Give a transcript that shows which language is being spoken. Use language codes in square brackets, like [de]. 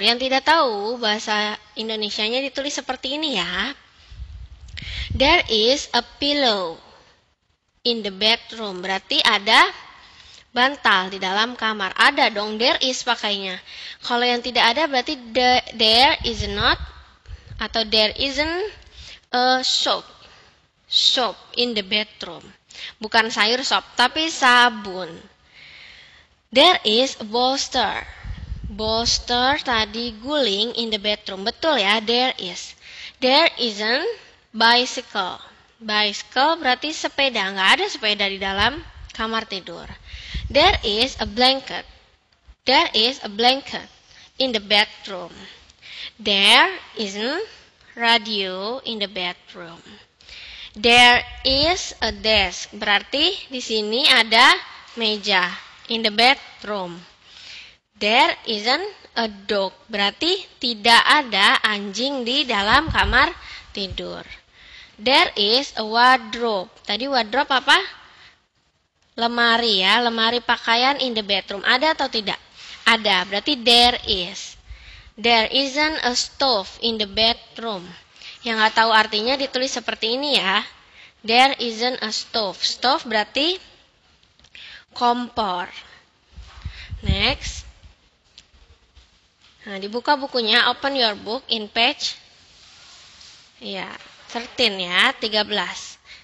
[id] Yang tidak tahu bahasa Indonesianya ditulis seperti ini ya. [en] There is a pillow in the bedroom. [id] Berarti ada bantal di dalam kamar. Ada dong there is pakainya. Kalau yang tidak ada berarti [en] there is not [id] atau [en] there isn't a soap. Soap in the bedroom. [id] Bukan sayur soap tapi sabun. [en] There is a bolster. Bolster [id] tadi guling [en] in the bedroom. Betul ya, there is. There isn't bicycle. [id] Bicycle berarti sepeda. Nggak ada sepeda di dalam kamar tidur. [en] There is a blanket. There is a blanket in the bedroom. There isn't radio in the bedroom. There is a desk. [id] Berarti di sini ada meja [en] in the bedroom. There isn't a dog. [id] Berarti tidak ada anjing di dalam kamar tidur. [en] There is a wardrobe. [id] Tadi wardrobe apa? Lemari ya, lemari pakaian [en] in the bedroom. [id] Ada atau tidak? Ada, berarti there is. [en] There isn't a stove in the bedroom. [id] Yang gak tahu artinya ditulis seperti ini ya. [en] There isn't a stove. Stove [id] berarti kompor. [en] Next. [id] Nah, dibuka bukunya, [en] open your book in page [id] ya, 13 ya, 13.